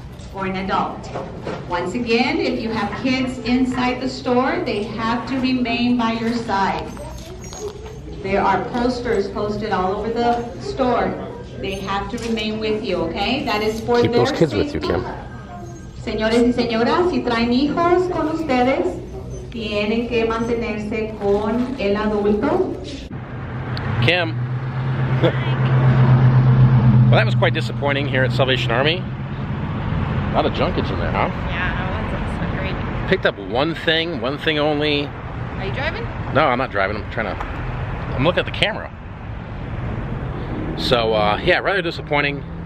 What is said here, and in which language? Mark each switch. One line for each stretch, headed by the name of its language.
English: For an adult. Once again, if you have kids inside the store, they have to remain by your side. There are posters posted all over the store. They have to remain with you, okay? That is for keep their those kids safety. With you, Kim.
Spanish: Señores y señoras, si traen hijos con ustedes, tienen que mantenerse con el adulto.
English: Kim. Well, that was quite disappointing here at Salvation Army. A lot of junkage in there, huh? Yeah, I wasn't so great. Picked up one thing only. Are you driving? No, I'm not driving. I'm looking at the camera. So, yeah, rather disappointing.